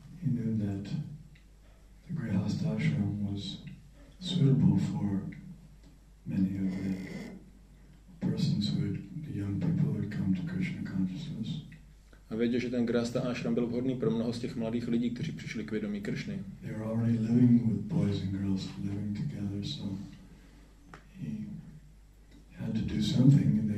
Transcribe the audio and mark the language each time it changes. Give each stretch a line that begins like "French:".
English: He knew that the Grihastha ashram was suitable for many of the persons who had, the young people who had come to Krishna consciousness.
Czech: A věděl, že ten Grihastha ashram byl vhodný pro mnoho z těch mladých lidí, kteří přišli k vědomí Kršny.
English: They were already living with boys and girls living together, so he had to do something.